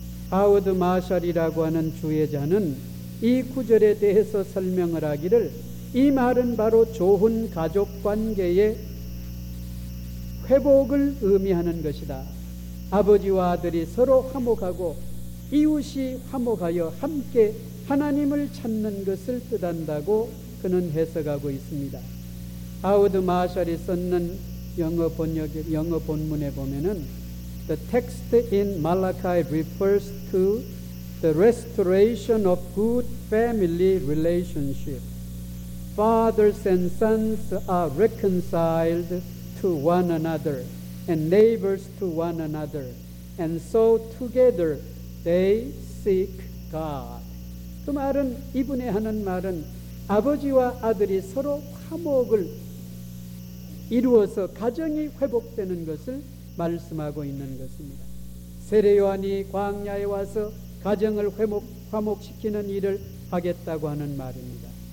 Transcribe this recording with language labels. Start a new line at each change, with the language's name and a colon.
Korean: 하워드 마샬이라고 하는 주의자는 이 구절에 대해서 설명을 하기를 이 말은 바로 좋은 가족관계의 회복을 의미하는 것이다. 아버지와 아들이 서로 화목하고 이웃이 화목하여 함께 하나님을 찾는 것을 뜻한다고 그는 해석하고 있습니다. 하워드 마샬이 썼는 영어 번역, 영어 본문에 보면은
English: The text in Malachi refers to the restoration of good family relationship. Fathers and sons are reconciled to one another and neighbors to one another. And so together they seek God.
Korean: 그 말은, 이분의 하는 말은 아버지와 아들이 서로 화목을 이루어서 가정이 회복되는 것을 말씀하고 있는 것입니다. 세례 요한이 광야에 와서 가정을 화목시키는 일을 하겠다고 하는 말입니다.